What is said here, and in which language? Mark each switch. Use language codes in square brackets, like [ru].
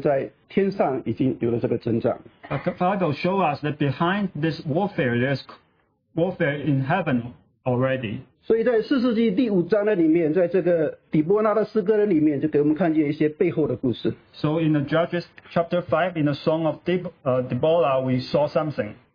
[zh] 但是这是说，圣经里面给我们看见说，在这个征战的背后，其实在天上已经有了这个征战。 [en] Bible show us that behind this warfare, there's warfare in heaven already. [zh] 所以在四世纪第五章的里面，在这个底波拉的诗歌里面，就给我们看见一些背后的故事。 [en] So in the Judges chapter 5, in the song of Deborah, we saw something.